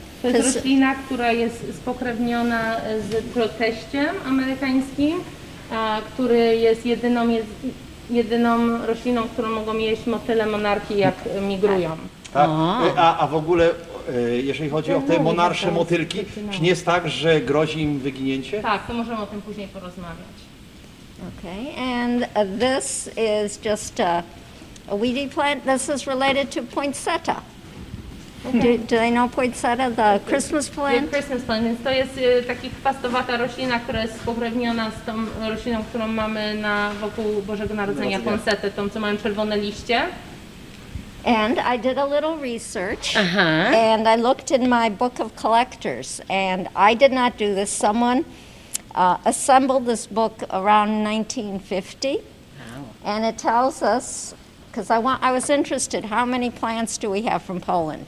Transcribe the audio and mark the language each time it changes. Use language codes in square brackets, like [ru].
[pl] To jest roślina, która jest spokrewniona z proteściem amerykańskim, który jest jedyną rośliną, którą mogą jeść motyle monarki, jak migrują. Tak. A w ogóle, jeżeli chodzi o te monarsze motylki, czy nie jest tak, że grozi im wyginięcie? Tak, to możemy o tym później porozmawiać. [en] Okay, and this is just a weedy plant. This is related to poinsettia. Okay. Do they know poinsettia, the Christmas plant? The Christmas plant. [pl] Więc to jest taki chwastowata roślina, która jest spokrewniona z tą rośliną, którą mamy na wokół Bożego Narodzenia, poinsettę, tą, co mają czerwone liście. [en] And I did a little research, uh-huh. And I looked in my book of collectors, and I did not do this. Someone assembled this book around 1950, and it tells us, because I was interested, how many plants do we have from Poland?